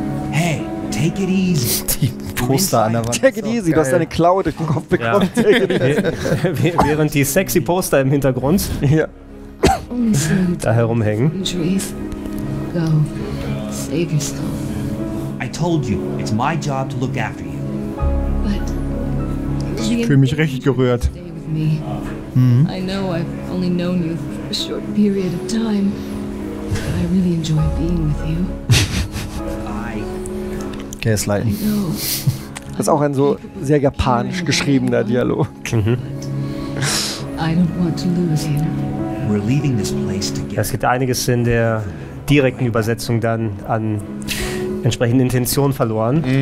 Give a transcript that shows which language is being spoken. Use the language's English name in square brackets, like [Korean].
[English] Hey, take it easy. [German] Die Poster an der Wand. [English] Take it easy, [German] geil. Du hast deine Klaue durch den Kopf bekommen. [English] Ja. Take it easy. [German] Während die sexy Poster im Hintergrund da herumhängen. [English] Go. Save yourself. I told you, it's my job to look after you. But [German] ich fühle mich recht gerührt. [English] I know I've only known you for a short period of time, but I really enjoy being with you. I [German] Gaslighten. Das ist auch ein so sehr japanisch geschriebener Dialog. [English] I don't want to lose you. We're leaving this place together. [German] Es gibt einiges in der direkten Übersetzung dann an entsprechenden Intentionen verloren.